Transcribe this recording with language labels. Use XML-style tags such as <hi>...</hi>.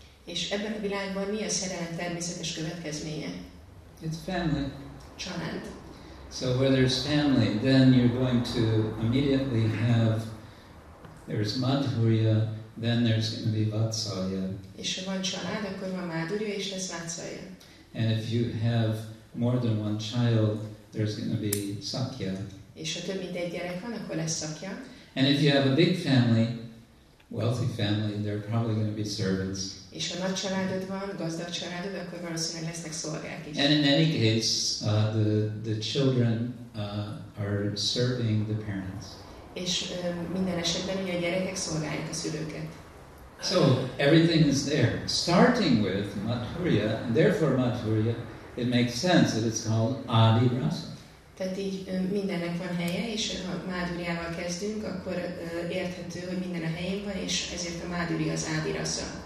<hu>És ebben a világban mi a szerelem természetes következménye?</hu> <en>It's family.</en> <hu>Család.</hu> <en>So where there's family, then you're going to immediately have there's madhurya, then there's going to be vatsalya.</en> <hu>És ha van család, akkor van madhurya és lesz vatsalya.</hu> <en>And if you have more than one child, there's going to be sakya.</en> <hu>És ha több mint egy gyerek van, akkor lesz sakya.</hu> <en>And if you have a big family, wealthy family, there are probably going to be servants.</en> <hu>És ha nagy családod van, gazdag családod, akkor valószínűleg lesznek szolgák is.</hu> <en>And in any case, the children are serving the parents.</en> <hu>És minden esetben ugye a gyerekek szolgálják a szülőket.</hu> <en>So everything is there, starting with madhurya, and therefore madhurya, it makes sense that it's called adi rasa.</en> <hu>Tehát így mindennek van helye, és ha madhurjával kezdünk, akkor érthető, hogy minden a helyén van, és ezért a madhurya az adi rasa.</hu>